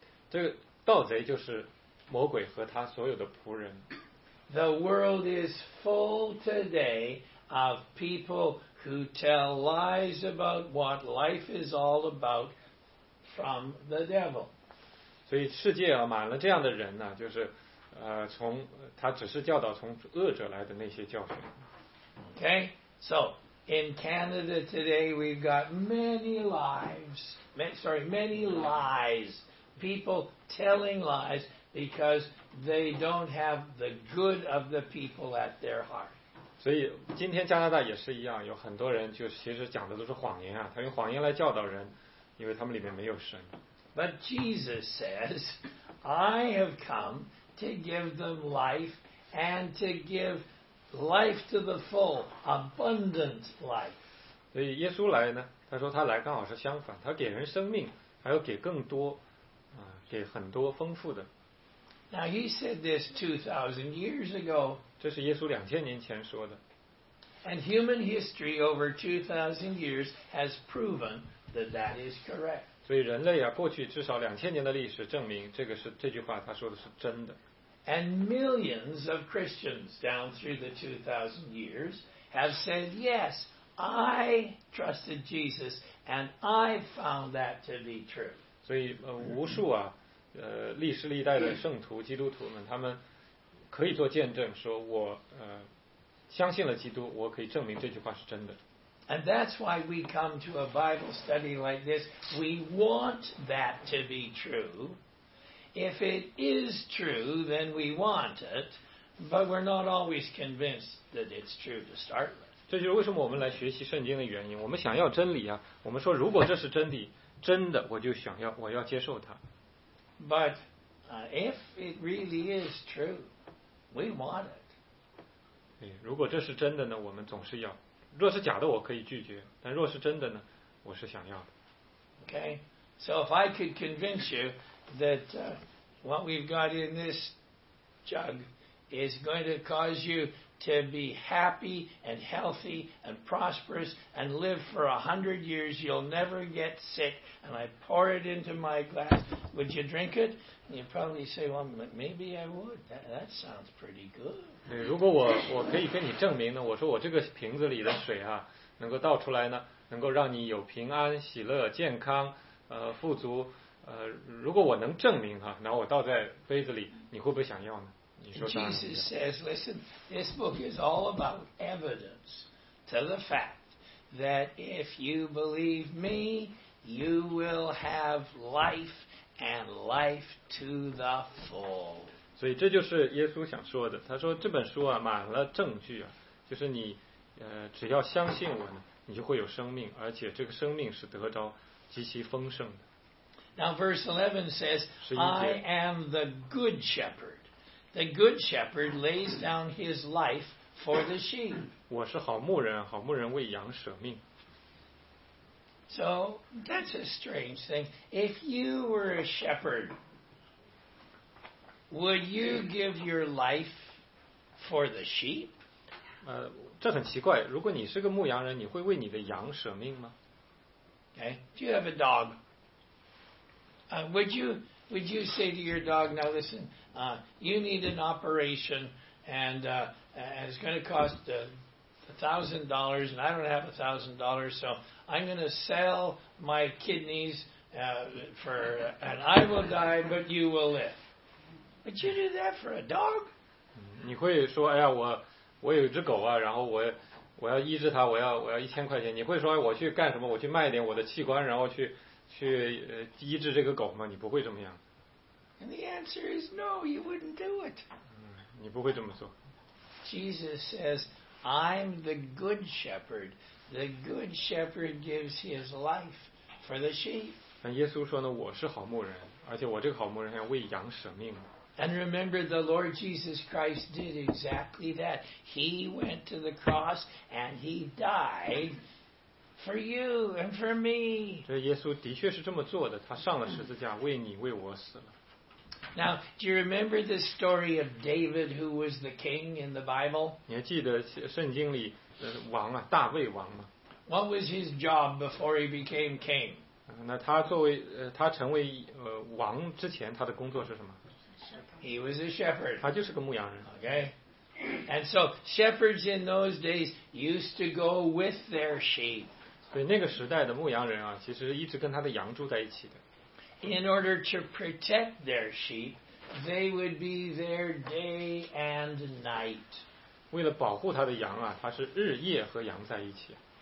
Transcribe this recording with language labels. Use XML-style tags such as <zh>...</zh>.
<zh>这个盗贼就是魔鬼和他所有的仆人。</zh> <en>The world is full today of people who tell lies about what life is all about from the devil.</en> <zh>所以世界啊满了这样的人呢、啊，就是从他只是教导从恶者来的那些教训。</zh> <en>Okay, so in Canada today we've got many lives, many lies. People telling lies because they don't have the good of the people at their heart.</en> <zh>所以今天加拿大也是一样，有很多人就其实讲的都是谎言啊，他用谎言来教导人，因为他们里面没有神。</zh> <en>But Jesus says, I have come to give them life and to give life to the full, abundant life.</en> <zh>所以耶稣来呢，他说他来刚好是相反，他给人生命，还要给更多，给很多丰富的。</zh> <en>Now he said this 2,000 years ago.</en> <zh>这是耶稣两千年前说的。</zh> <en>And human history over 2,000 years has proven that that is correct.</en> <zh>所以人类啊，过去至少两千年的历史证明，这个是这句话他说的是真的。</zh> <en>And millions of Christians down through the 2,000 years have said, "Yes, I trusted Jesus, and I found that to be true."</en> <zh>所以无数啊，历史历代的圣徒、基督徒们，他们可以做见证，说我相信了基督，我可以证明这句话是真的。</zh> <en>And that's why we come to a Bible study like this. We want that to be true. If it is true, then we want it. But we're not always convinced that it's true to start with.</en> <zh>这就是为什么我们来学习圣经的原因。我们想要真理啊。我们说如果这是真理，真的，我就想要，我要接受它。</zh> <en>But if it really is true, we want it.</en> <zh>如果这是真的呢，我们总是要。若是假的我可以拒绝，但若是真的呢，我是想要的。</zh> <en>Okay, so if I could convince you that what we've got in this jug is going to cause you to be happy and healthy and prosperous and live for 100 years, you'll never get sick, and I pour it into my glass, would you drink it? And you'd probably say, well, maybe I would. That sounds pretty good.</en> <zh>对，如果我可以跟你证明呢，我说我这个瓶子里的水啊，能够倒出来呢，能够让你有平安、喜乐、健康、富足。如果我能证明哈，那我倒在杯子里，你会不会想要呢？</zh> <en>Jesus says, listen, this book is all about evidence to the fact that if you believe me, you will have life and life to the full.</en> <zh>所以这就是耶稣想说的，他说这本书啊，满了证据啊，就是你只要相信我呢，你就会有生命，而且这个生命是得着极其丰盛的。</zh> <en>Now verse 11 says, I am the good shepherd. The good shepherd lays down his life for the sheep.</en> <zh>我是好牧人，好牧人为羊舍命。</zh> <en>So that's a strange thing. If you were a shepherd, would you give your life for the sheep?</en> <zh>这很奇怪。如果你是个牧羊人，你会为你的羊舍命吗？</zh> <en>Okay. Do you have a dog? Would you say to your dog, now listen, you need an operation, and it's going to cost $1,000, and I don't have $1,000, so I'm going to sell my kidneys and I will die, but you will live. Would you do that for a dog?</en> <zh>你会说，哎呀，我有一只狗啊，然后我要医治它，我要1000块钱。你会说，哎，我去干什么？我去卖点我的器官，然后去医治这个狗吗？你不会这么样。</zh> <en>And the answer is no, you wouldn't do it.</en> <zh>你不会这么做。</zh> <en>Jesus says, I'm the good shepherd. The good shepherd gives his life for the sheep.</en> <zh>但耶稣说呢，我是好牧人，而且我这个好牧人要为羊舍命。</zh> <en>And remember, the Lord Jesus Christ did exactly that. He went to the cross and he died for you and for me.</en> <zh>这耶稣的确是这么做的，他上了十字架，为你为我死了。</zh> <en>Now, do you remember the story of David, who was the king in the Bible?</en> <zh>你还记得圣经里王啊，大卫王吗？</zh> <en>What was his job before he became king?</en> <zh>那他作为他成为王之前，他的工作是什么？</zh> <en>He was a shepherd.</en> <zh>他就是个牧羊人。</zh> <en>Okay. And so shepherds in those days used to go with their sheep.</en> <zh>所以那个时代的牧羊人啊，其实一直跟他的羊住在一起的。</zh> <en>In order to protect their sheep they would be there day and night.</en> <zh>为了保护他的羊啊，他是日夜和羊在一起。</zh>